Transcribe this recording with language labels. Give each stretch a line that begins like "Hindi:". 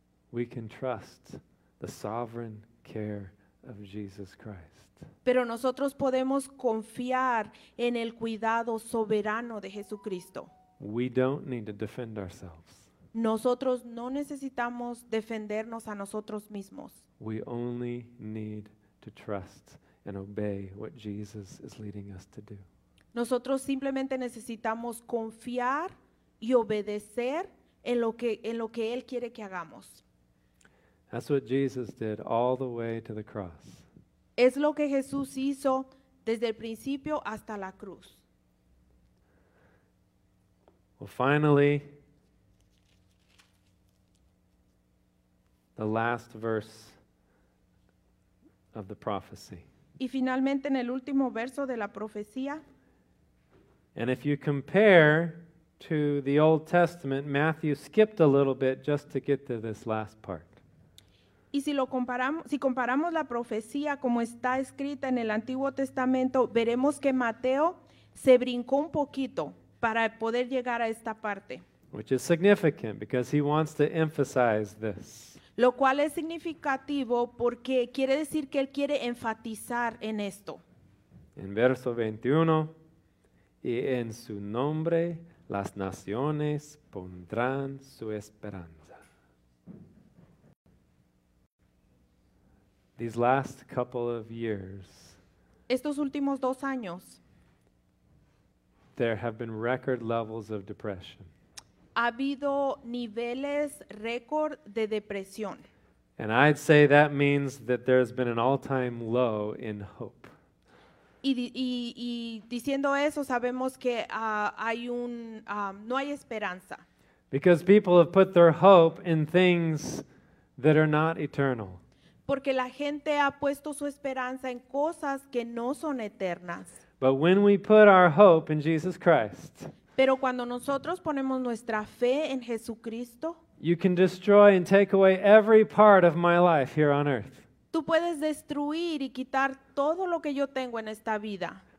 English: We can trust the sovereign care of Jesus Christ.
Spanish: Pero nosotros podemos confiar en el cuidado soberano de Jesucristo.
English: We don't need to defend ourselves.
Spanish: Nosotros no necesitamos defendernos a nosotros mismos.
English: We only need to trust and obey what Jesus is leading us to do.
Spanish: Nosotros simplemente necesitamos confiar y obedecer en lo que Él quiere que hagamos.
English: That's what Jesus did all the way to the cross.
Spanish: Es lo que Jesús hizo desde el principio hasta la cruz.
English: Well, finally, the last verse of the prophecy.
Spanish: Y finalmente en el último verso de la profecía.
English: And if you compare to the Old Testament, Matthew skipped a little bit just to get to this last part.
Spanish: Y si comparamos la profecía como está escrita en el Antiguo Testamento, veremos que Mateo se brincó un poquito para poder llegar a esta parte.
English: Which is significant because he wants to emphasize this.
Spanish: Lo cual es significativo porque quiere decir que él quiere enfatizar en esto. En verso 21, y en su nombre las naciones pondrán su esperanza.
English: These last couple of years,
Spanish: estos últimos dos años,
English: there have been record levels of depression.
Spanish: Ha habido niveles récord de depresión.
English: And I'd say that means that there's been an all-time low in hope.
Spanish: Y diciendo eso, sabemos que hay un no hay esperanza.
English: Because people have put their hope in things that are not eternal.
Spanish: Porque la gente ha puesto su esperanza en cosas que no son eternas.
English: But when we put our hope in Jesus Christ,
Spanish: pero cuando nosotros ponemos nuestra fe en Jesucristo,
English: you can destroy and take away every part of my life here on earth.
Spanish: Tú puedes destruir y quitar todo lo que yo tengo en esta vida.